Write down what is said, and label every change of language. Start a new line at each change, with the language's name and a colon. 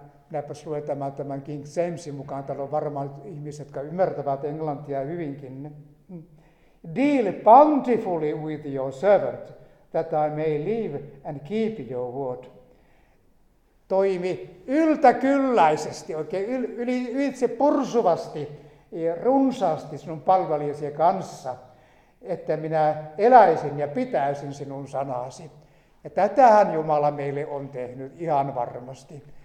Finnish: Minäpäs luen tämän King Jamesin mukaan. Täällä on varmaan ihmiset, jotka ymmärtävät englantia hyvinkin.
English: Deal bountifully with your servant, that I may live and keep your word.
Finnish: Toimi yltäkylläisesti, oikein ylitse pursuvasti ja runsaasti sinun palvelijasi kanssa, että minä eläisin ja pitäisin sinun sanasi. Ja tätähän Jumala meille on tehnyt ihan varmasti.